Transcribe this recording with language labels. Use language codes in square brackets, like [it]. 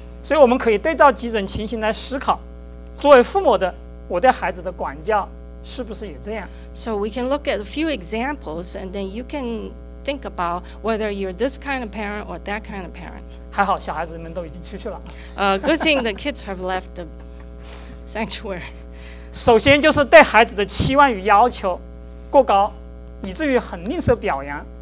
[zh] 所以我们可以对照几种情形来思考，作为父母的，我对孩子的管教是不是也这样？ [en] So we can look at a few examples, and then you can think about whether you're this kind of parent or that kind of parent. [zh] 还好小孩子们都已经出去了。 [en] Good thing the kids have left the sanctuary. [zh] 首先就是对孩子的期望与要求过高，以至于很吝啬表扬。